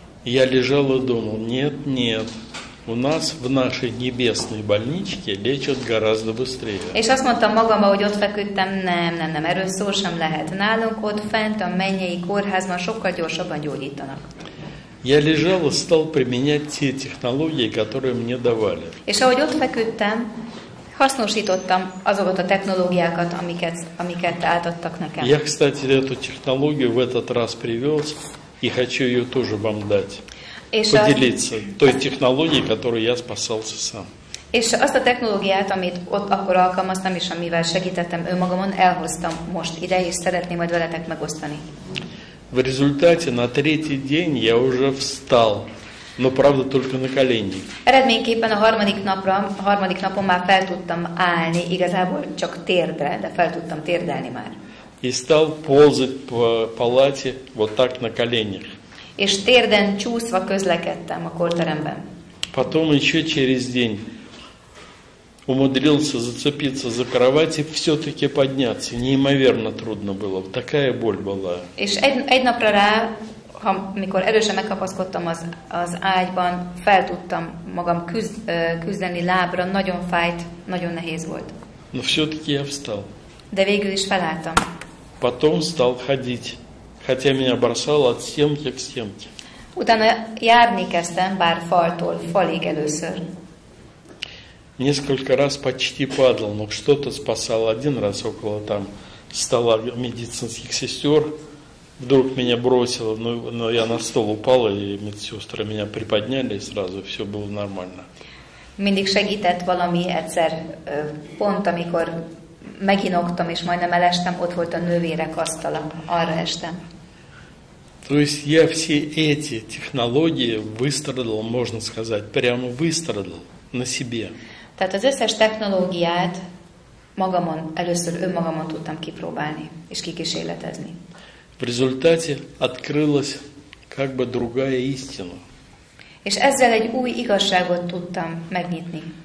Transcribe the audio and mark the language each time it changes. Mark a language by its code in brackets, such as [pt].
[ru] Я лежал и думал, нет, у нас в нашей небесной больничке лечат гораздо быстрее. [hu] És azt mondtam magamban, hogy ott feküdtem, nem, erről szó sem lehet. Nálunk ott fent a mennyei kórházban sokkal gyorsabban gyógyítanak. [ru] Я лежал и стал применять те технологии, которые мне давали. [hu] És ahogy ott feküdtem, hasznosítottam azokat a technológiákat, amiket átadtak nekem. [ru] Я, кстати, эту технологию в этот раз привез, и хочу ее тоже вам дать, és поделиться той технологией, которую я спасался сам. [hu] És azt a technológiát, amit ott akkor alkalmaztam, és amivel segítettem önmagamon, elhoztam most ide, és szeretném majd veletek megosztani. [ru] В результате на третий день я уже встал, но правда только на колени. [hu] Eredményképpen a harmadik napon már fel tudtam állni, igazából csak térdre, de fel tudtam térdelni már. [ru] И стал ползать по палате вот так на коленях. [hu] És térden csúszva közlekedtem a korteremben. [ru] Потом еще через день умудрился зацепиться за кровать и все-таки подняться. Неимоверно трудно было. Такая боль была. [hu] És egy napra rá, amikor erősen megkapaszkodtam az ágyban, fel tudtam magam küzdeni lábra. Nagyon fájt, nagyon nehéz volt. [ru] Но все-таки я встал. [hu] De végül is felálltam. [ru] Потом стал ходить, хотя меня бросало от стенки к стенке. [hu] Utána járni kezdtem, bár faltól falig először. [ru] Несколько раз почти падал, но что-то спасало. Один раз около там стола медицинских сестер, вдруг меня бросило, но я на стол упал, и медсестры меня приподняли, и сразу все было нормально. [hu] Mindig segített valami egyszer, pont amikor meginoktam, és majdnem elestem, ott volt a nővérek asztala, arra estem. [ru] То есть я все эти технологии выстрадал, можно сказать, прямо выстрадал на себе. [hu] Tehát az összes technológiát magamon, először önmagamon tudtam kipróbálni, és kikísérletezni. [ru] В результате открылась как бы другая истина. [hu] És ezzel egy új igazságot tudtam megnyitni.